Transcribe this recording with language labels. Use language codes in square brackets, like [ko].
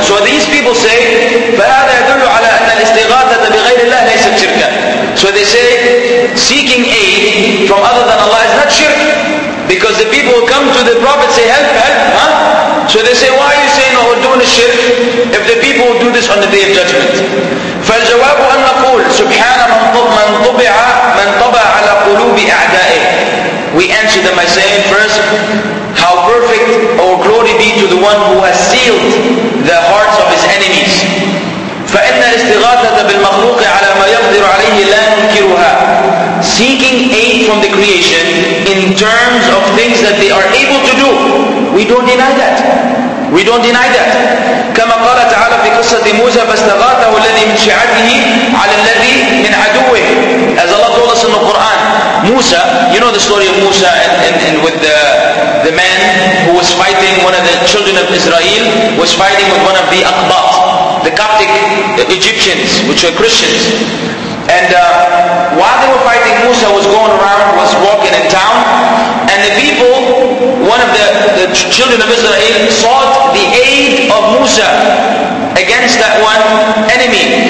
[en] So these people say, [ar] فَهَذَا يَدُلُّ عَلَىٰ أَنَّ الْإِسْتِغَاثَةَ بِغَيْرِ اللَّهِ لَيْسَ شِرْكًا. [en] So they say, seeking aid from other than Allah is not shirk. Because the people will come to the Prophet say, help, help, huh? So they say, why are you saying no, we're doing a shirk if the people will do this on the Day of Judgment? [ar] فَالْجَوَابُ أَنْ نَقُولُ سُبْحَانَ مَنْ طُبِعَ مَنْ طَبَعَ عَلَىٰ قُلُوبِ أَعْدَائِهِ. [en] We answer them by saying, first, how perfect or glory be to the one who has sealed the hearts of his enemies. [ar] فَإِنَّ الْإِسْتِغَاثَةَ بِالْمَخْلُوقِ عَلَىٰ مَا يَقْدِرُ عَلَيْهِ لَا نُنْكِرُهَا. [en] Seeking aid from the creation in terms of things that they are able to do. We don't deny that. We don't deny that. [ar] كما قال تعالى في قصة موسى فاستغاثه الذي من شعته على الذي من عدوه. [en] As Allah told us in the Quran, Musa, you know the story of Musa and with the man who was fighting, one of the children of Israel was fighting with one of the Aqbat, the Coptic Egyptians, which were Christians. And while they were fighting, Musa was going around, was walking in town, and the people, one of the children of Israel, sought the aid of Musa against that one enemy.